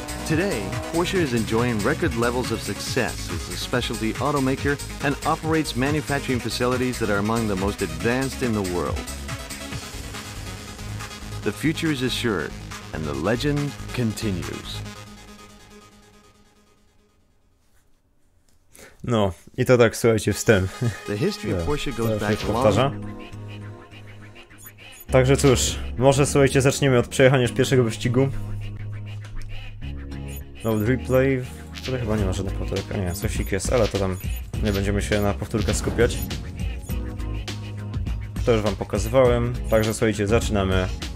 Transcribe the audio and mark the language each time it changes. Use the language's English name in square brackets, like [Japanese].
[English] Today, Porsche is enjoying record levels of success as a specialty automaker and operates manufacturing facilities that are among the most advanced in the world. The future is assured, and the legend continues. [Polish] No, i to tak, słuchajcie, wstęp. [English] The history of Porsche goes back long. [Polish] Także cóż, może słuchajcie, zaczniemy od przejechania już pierwszego wyścigu. No, replay. Tutaj chyba nie ma żadnych powtórek. A nie, cośik jest, ale to tam nie będziemy się na powtórkę skupiać. To już wam pokazywałem. Także słuchajcie, zaczynamy.